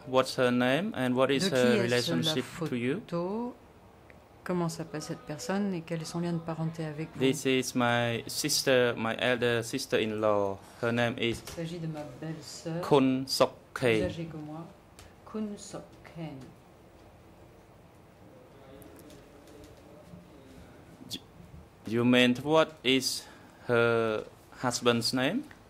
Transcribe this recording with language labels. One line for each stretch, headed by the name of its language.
English: What's her name and what is her relationship to you?
French: Comment s'appelle cette personne et quel est son lien de parenté avec vous?
English: This is my sister, my elder sister-in-law. Her name is Khun Sok Khen. Khun Sok Khen. You meant what is her husband's name?